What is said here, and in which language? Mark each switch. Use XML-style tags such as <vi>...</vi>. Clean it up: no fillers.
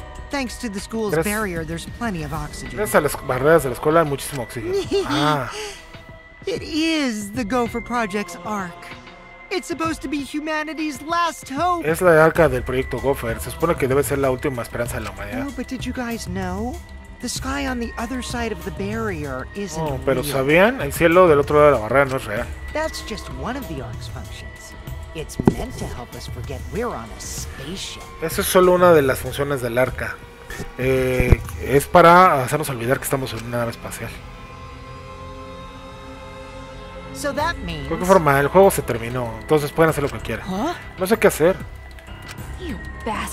<en>Thanks to the school's barrier, there's plenty of oxygen.</en> <es>Gracias a las barreras de la escuela hay muchísimo oxígeno.</es> <en>It is the Gopher Project's arc. It's supposed to be humanity's last hope.</en> <es>Es la arca del proyecto Gopher. Se supone que debe ser la última esperanza de la humanidad.</es> <en>Oh, but did you guys know? The sky on the other side of the barrier isn't real.</en> <es>Oh, pero ¿sabían? El cielo del otro lado de la barrera no es real.</es> <en>That's just one of the arc's functions. It's meant to help us forget we're on a spaceship.</en> <es>Esa es solo una de las funciones del arca. Es para hacernos olvidar que estamos en una nave espacial.</es> <en>So that means...</en> <es>De qué forma, el juego se terminó. Entonces pueden hacer lo que quieran. ¿Huh? No sé qué hacer.</es> <en>You bastard.</en>